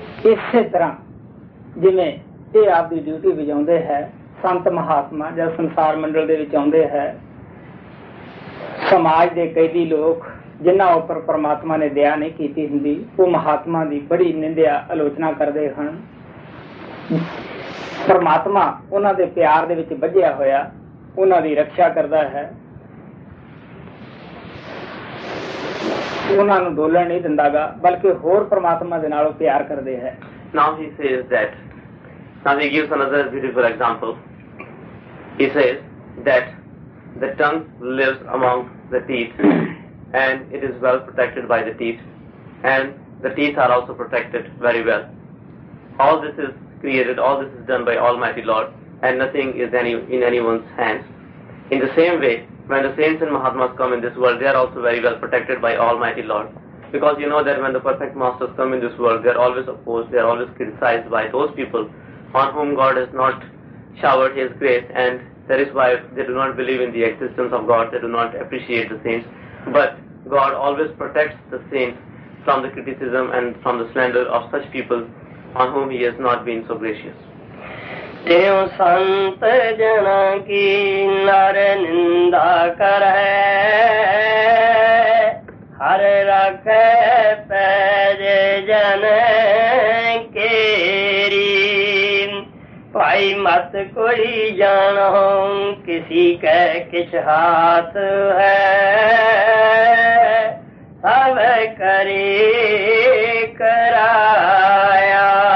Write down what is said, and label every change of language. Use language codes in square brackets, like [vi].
[pa] ਇਸੇ ਤਰ੍ਹਾਂ ਜਿਵੇਂ ਇਹ ਆਪਦੀ ਡਿਊਟੀ ਵਜਾਉਂਦੇ ਹੈ, ਸੰਤ ਮਹਾਤਮਾ ਜਾਂ ਸੰਸਾਰ ਮੰਡਲ ਦੇ ਵਿੱਚ ਆਉਂਦੇ ਹੈ, ਸਮਾਜ ਦੇ ਕੈਦੀ ਲੋਕ ਜਿਨ੍ਹਾਂ ਉੱਪਰ ਪਰਮਾਤਮਾ ਨੇ ਦਇਆ ਨਹੀਂ ਕੀਤੀ ਹੁੰਦੀ, ਉਹ ਮਹਾਤਮਾ ਦੀ ਬੜੀ ਨਿੰਦਿਆ ਆਲੋਚਨਾ ਕਰਦੇ ਹਨ। ਪਰਮਾਤਮਾ ਉਹਨਾਂ ਦੇ ਪਿਆਰ ਦੇ ਵਿੱਚ ਬੱਝਿਆ ਹੋਇਆ ਉਹਨਾਂ ਦੀ ਰੱਖਿਆ ਕਰਦਾ ਹੈ, ਉਹਨਾਂ ਨੂੰ ਡੋਲਣ ਨਹੀਂ ਦਿੰਦਾ ਗਾ, ਬਲਕਿ ਹੋਰ ਪਰਮਾਤਮਾ ਦੇ ਨਾਲ ਉਹ ਪਿਆਰ ਕਰਦੇ ਹੈ। [en] Now he says that, now he gives another beautiful example. He says that the tongue lives among the teeth and it is well protected by the teeth and the teeth are also protected very well. All this is created, all this is done by Almighty Lord and nothing is in anyone's hands. In the same way, when the saints and Mahatmas come in this world, they are also very well protected by Almighty Lord. Because you know that when the perfect masters come in this world, they are always opposed, they are always criticized by those people on whom God has not showered His grace, and that is why they do not believe in the existence of God, they do not appreciate the saints. But God always protects the saints from the criticism and from the slander of such people on whom He has not been so gracious. [pa] ਤਿਉ ਸੰਤ ਜਨ ਕੀ ਨਰ ਨਿੰਦਾ ਕਰ ਹਰ ਰੱਖੇ ਪੈਜੇ ਜਨ ਕੇਰੀ ਭਾਈ ਮਤ ਕੋਈ ਜਾਣੋ ਕਿਸੀ ਕੈ ਕਿਛ ਹਾਥ ਹੈ ਸਭ ਕਰੀ ਕਰਾਇਆ